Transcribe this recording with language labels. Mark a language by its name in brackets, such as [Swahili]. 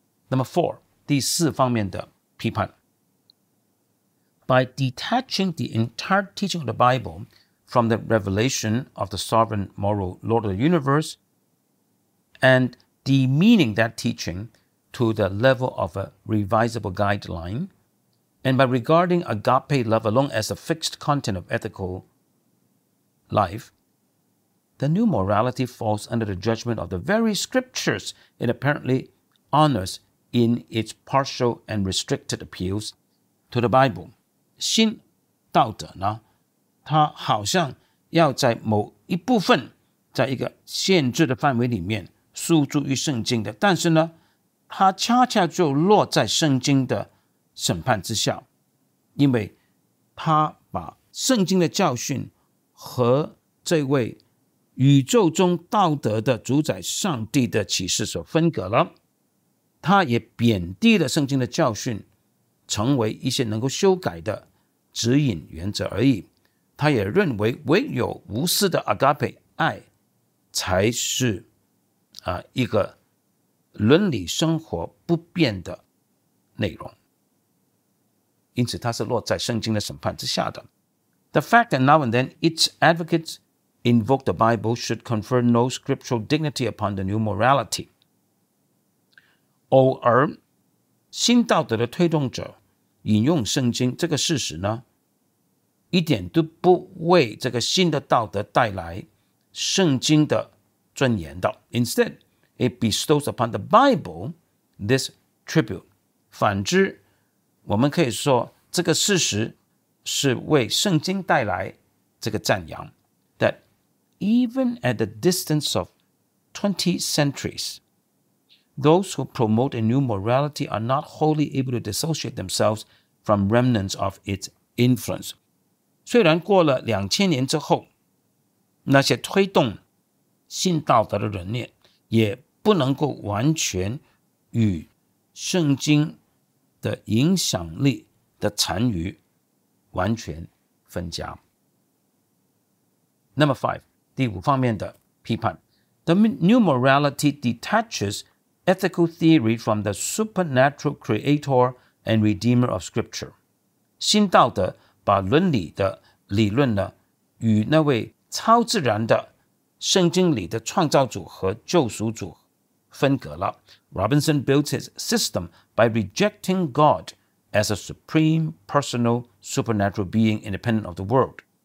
[English] Number four，第四方面的批判， By detaching the entire teaching of the BibleFrom the revelation of the sovereign moral Lord of the universe and demeaning that teaching to the level of a revisable guideline, and by regarding agape love alone as a fixed content of ethical life, the new morality falls under the judgment of the very scriptures it apparently honors in its partial and restricted appeals to the Bible. [Chinese] 新道德呢他好像要在某一部分在一个限制的范围里面诉诸于圣经的，但是呢他恰恰就落在圣经的审判之下，因为他把圣经的教训和这位宇宙中道德的主宰上帝的启示所分隔了，他也贬低了圣经的教训成为一些能够修改的指引原则而已，他也认为唯有无私的 agape 爱才是一个伦理生活不变的内容。因此它是落在圣经的审判之下的。 [English] The fact that now and then its advocates invoke the Bible should confer no scriptural dignity upon the new morality. [Chinese] 偶尔新道德的推动者引用圣经这个事实呢，一点都不为这个新的道德带来圣经的尊严的。 [English] Instead, it bestows upon the Bible this tribute. [Chinese] 反之，我们可以说这个事实是为圣经带来这个赞扬。 [English] That even at the distance of 20 centuries, those who promote a new morality are not wholly able to dissociate themselves from remnants of its influence. [Chinese] 虽然过了两千年之后，那些推动新道德的人念也不能够完全与圣经的影响力的残余完全分家。 Number five, 第五方面的批判。 [English] The new morality detaches ethical theory from the supernatural creator and redeemer of scripture. [Chinese] 新道德把伦理的理论呢，与那位超自然的圣经里的创造主和救赎主分隔了。 [English] Robinson built his system by rejecting God as a supreme personal supernatural being independent of the world.